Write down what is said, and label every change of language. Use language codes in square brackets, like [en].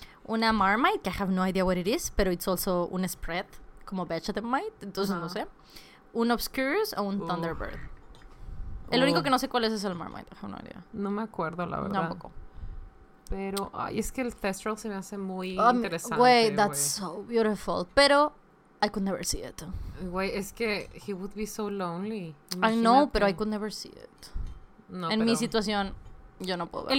[es] Una marmite, que [en] I have no idea what it is, [es] pero [en] it's also [es] un spread, como vegetamite, entonces no sé. Un obscurus o un thunderbird. El único que no sé cuál es el marmite, [en] I have no idea. [es] No me acuerdo, la verdad. Tampoco. Pero, ay, es que el thestral se me hace muy interesante. Güey, [en] that's so beautiful. Pero, I could never see it. Güey, [es] es que [en] he would be so lonely. Imagínate. I know, pero I could never see it. [es] No, en mi situación, yo no puedo verlo.